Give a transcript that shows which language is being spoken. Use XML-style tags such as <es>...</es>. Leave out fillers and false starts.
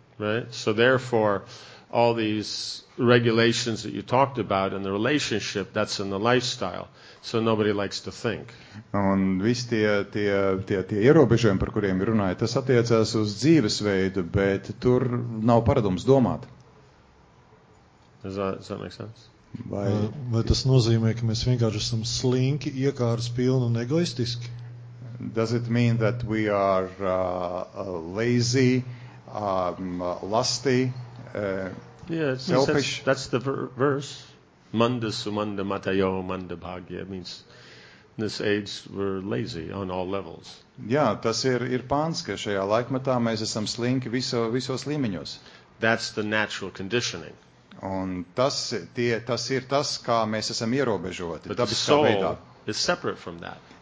<en>Right? So therefore, all these regulations that you talked about in the relationship, that's in the lifestyle. So nobody likes to think.</en> <lv>Un visi tie ierobežojumi, par kuriem runāja, tas attiecās uz dzīvesveidu, bet tur nav paradums domāt.</lv> <en>Does that make sense?</en> <lv>Vai tas nozīmē, ka mēs vienkārši esam slinki, iekārs pilni un egoistiski?</lv> <en>Does it mean that we are lazy, lusty, selfish? That's the verse.</en> <sa>Manda sumanda matayo manda bhagya</sa> <en>means in this age we're lazy on all levels.</en> <lv>Jā, tas ir pāns, ka šajā laikmetā mēs esam slinki visos līmeņos.</lv> <en>That's the natural conditioning.</en> <lv>Un tas ir tas, kā mēs esam ierobežoti.</lv> <en>But the soul is separate from that.</en>